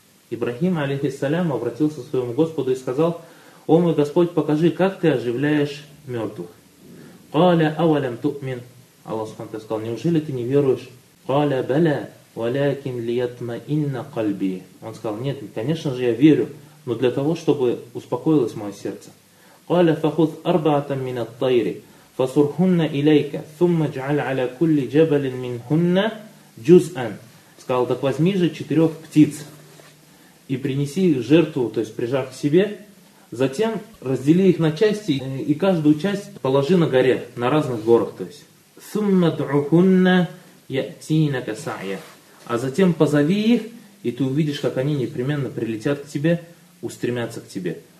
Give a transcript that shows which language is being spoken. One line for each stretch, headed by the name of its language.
Russian: Ибрахим, алейхиссалям, обратился к своему Господу и сказал, «О мой Господь, покажи, как ты оживляешь мертвых».
Arabic: «Каля авалям тукмин».
Russian: Аллах Субханаху Ва Тааля сказал, «Неужели ты не веруешь?»
Arabic: «Каля баля, валякин лиятма инна кальби».
Russian: Он сказал, «Нет, конечно же я верю, но для того, чтобы успокоилось мое сердце».
Arabic: قال فخذ أربعة من الطير فصرهن إليك ثم اجعل على كل جبل منهن جزءا.
Russian: Сказал, так возьми же 4 птиц и принеси их жертву, то есть прижав к себе, затем раздели их на части и каждую часть положи на горе, на разных горах, то есть.
Arabic: ثم ادعهن يأتينك سعيا.
Russian: А затем позови их, и ты увидишь, как они непременно прилетят к тебе, устремятся к тебе.